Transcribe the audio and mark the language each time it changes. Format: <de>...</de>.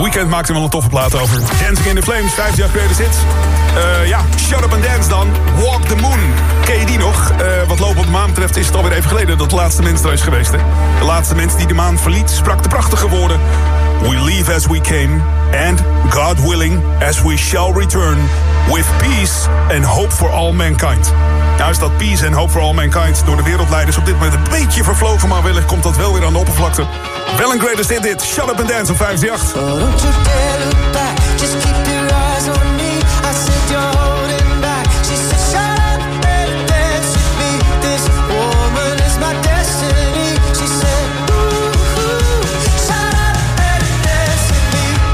<nl>Maakt er wel een toffe plaat over. Dancing in the Flames, 50 jaar geleden zit. Ja, Shut Up and Dance dan. Walk the Moon. Ken je die nog? Wat lopen op de maan betreft is het alweer even geleden dat de laatste mens er is geweest. Hè? De laatste mens die de maan verliet sprak de prachtige woorden.</nl> <en>We leave as we came and God willing as we shall return with peace and hope for all mankind.</en> <nl>Juist dat</nl> <en>peace and hope for all mankind</en> <nl>door de wereldleiders op dit moment een beetje vervlogen, maar wellicht komt dat wel weer aan de oppervlakte. Well and great is dit, Shut Up and Dance op 58.</nl> <en>Oh, don't you dare look back, just keep your eyes on me. I said you're holding back, she said shut up and dance with me. This woman is my destiny, she said ooh, shut up and dance with me.</en>